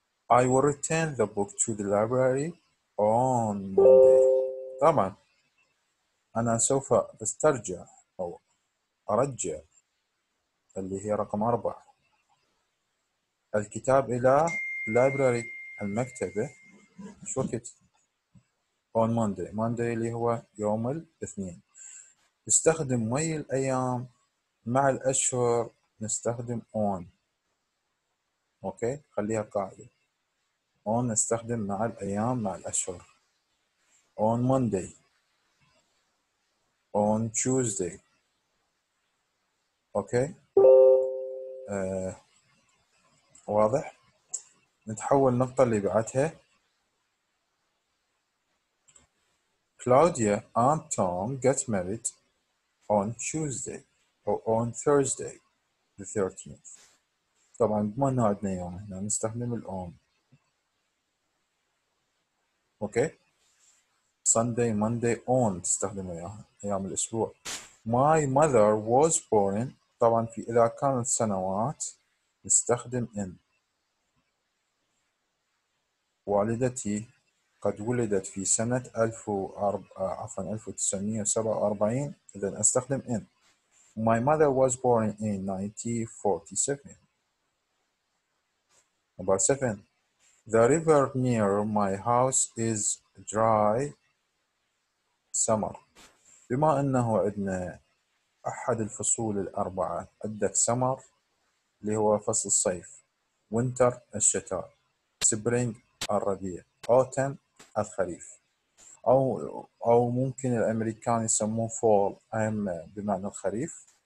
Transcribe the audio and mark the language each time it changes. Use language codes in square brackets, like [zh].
[en] I will return the book to the library on Monday. [ar] طبعا أنا سوف أسترجع أو أرجع اللي هي رقم أربعة الكتاب إلى library المكتبة شو وقت؟ [en] On Monday. [ar] Monday اللي هو يوم الاثنين. نستخدم مي الأيام مع الأشهر نستخدم on. أوكي خليها قاعدة. on نستخدم مع الأيام مع الأشهر. [en] on Monday. on Tuesday. [ar] أوكي واضح. نتحول النقطة اللي بعدها. [en] Claudia and Tom get married on Tuesday or on Thursday the 13th. [ar] طبعا بما انه عندنا يوم هنا نستخدم الـ on. اوكي Sunday Monday on تستخدم ايام الاسبوع. [en] My mother was born [ar] طبعا في اذا كانت سنوات نستخدم in. والدتي قد ولدت في سنة 1947 إذن أستخدم in. [en] My mother was born in 1947. Number 7. The river near my house is dry summer. [ar] بما أنه عندنا أحد الفصول الأربعة عندك summer اللي هو فصل الصيف، winter الشتاء، spring الربيع، autumn الخريف، أو ممكن الأمريكان يسموه fall أهم بمعنى الخريف.